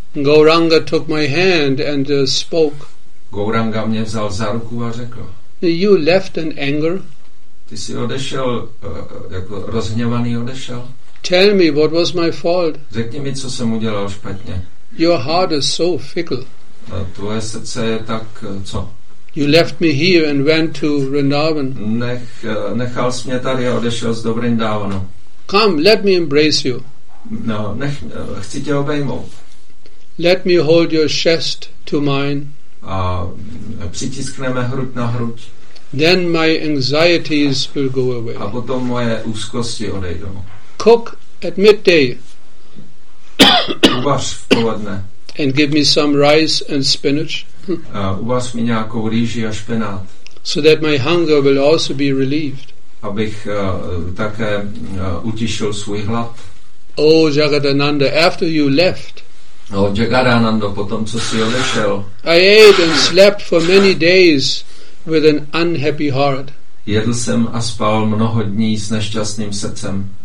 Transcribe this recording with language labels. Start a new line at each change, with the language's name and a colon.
English: Gauranga took my hand and spoke.
Czech: Gauranga mě vzal za ruku a řekl,
English: you left in anger.
Czech: Ty jsi odešel, jako rozhněvaný odešel.
English: Tell me what was my fault.
Czech: Řekni mi, co jsem udělal špatně.
English: Your heart is so fickle.
Czech: A tvoje srdce je tak, co?
English: You left me here and went to Vrindavan.
Czech: Nechal jsi mě tady a odešel z Vrindavanu.
English: Come, let me embrace you.
Czech: No, chci tě obejmout.
English: Let me hold your chest to mine.
Czech: A přitiskneme hruď na hruď.
English: Then my anxieties will go away.
Czech: A potom moje úzkosti odejdou.
English: Cook at midday.
Czech: Uvař v poledne.
English: And give me some rice and spinach.
Czech: Uvař mi nějakou rýži a špenát.
English: So that my hunger will also be relieved.
Czech: Abych také utišil svůj hlad.
English: Oh, Jagadananda, after you left.
Czech: No, Jagadanando, potom co jsi odešel.
English: I ate and slept for many days with an unhappy heart.
Czech: Jedl jsem a spal mnoho dní s nešťastným srdcem.